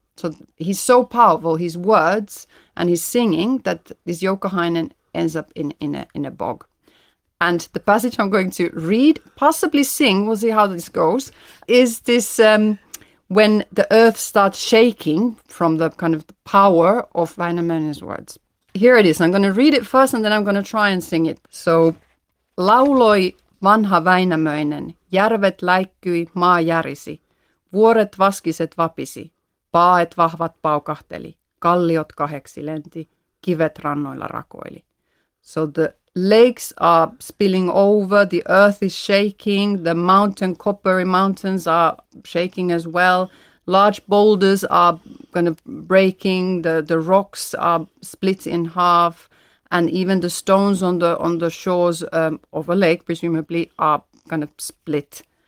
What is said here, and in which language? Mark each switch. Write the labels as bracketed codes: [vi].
[en] So he's so powerful, his words and his singing, that this Joukahainen ends up in a bog. And the passage I'm going to read, possibly sing, we'll see how this goes, is this when the earth starts shaking from the kind of the power of Väinämöinen's words. Here it is. I'm going to read it first and then I'm going to try and sing it. [fi] So, lauloi vanha Väinämöinen, järvet läikkyi, maa järisi, vuoret vaskiset vapisi, paet vahvat paukahteli, kalliot kaheksi lenti, kivet rannoilla rakoili. [en] So the lakes are spilling over, the earth is shaking, the mountain, coppery mountains are shaking as well. Large boulders are kind of breaking, the rocks are split in half, and even the stones on the shores of a lake, presumably, are kind of split.